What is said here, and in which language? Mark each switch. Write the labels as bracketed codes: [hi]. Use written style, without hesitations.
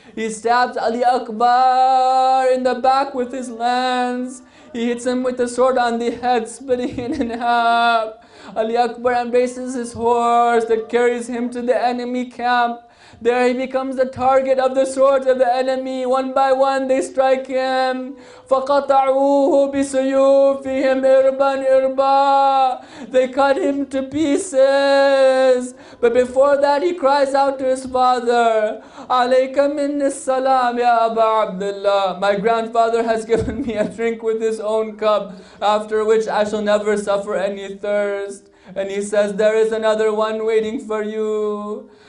[en] He stabs Ali Akbar in the back with his lance. He hits him with the sword on the head, splitting it in half. Ali Akbar embraces his horse that carries him to the enemy camp. There he becomes the target of the swords of the enemy. One by one they strike him. [ar] فَقَطَعُوهُ بِسُيُوفِهِمْ إِرْبًا إِرْبًا. [en] They cut him to pieces. But before that he cries out to his father. [ar] عَلَيْكَ مِنِّ السَّلَامِ يَا أَبَا عَبْدِ اللَّهِ. [en] My grandfather has given me a drink with his own cup, after which I shall never suffer any thirst. And he says, there is another one waiting for you.